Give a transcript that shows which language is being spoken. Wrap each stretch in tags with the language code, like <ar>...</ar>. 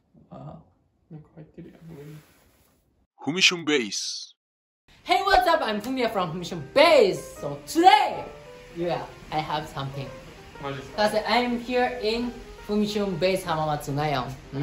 <ja>あ、なんか入ってるやん。フミションベース。</ja> <en>Hey, what's up? I'm Fumiya from フミションベース。 So today, yeah, I have something.</en> <ja>マジですか？</ja> <en>Because I'm here in フミションベース浜松がよ。うん。</en>